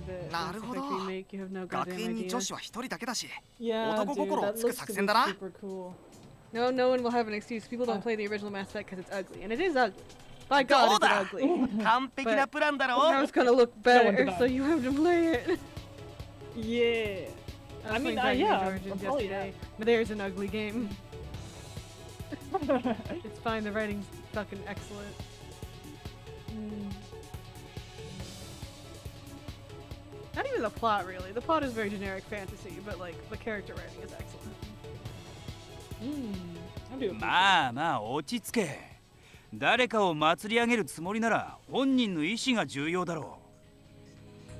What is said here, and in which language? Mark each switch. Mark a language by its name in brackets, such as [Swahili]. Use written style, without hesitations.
[Japanese] なるほど。学園に女子は一人だけだし、男心をつく作戦だな。 [English] No, no one will have an excuse. People don't play the original Mass Effect because it's ugly, and it is ugly. By God, it's ugly. [Japanese] 完璧なプランだろ。 [English] Now it's gonna look better, so you have to play it. Yeah. I mean, yeah. But there's an ugly game. It's fine, the writing's fucking excellent. Not even the plot, really. The plot is very generic fantasy, but, like, the character writing is excellent. [Japanese] まあまあ、落ち着け。誰かを祭り上げるつもりなら、本人の意思が重要だろう。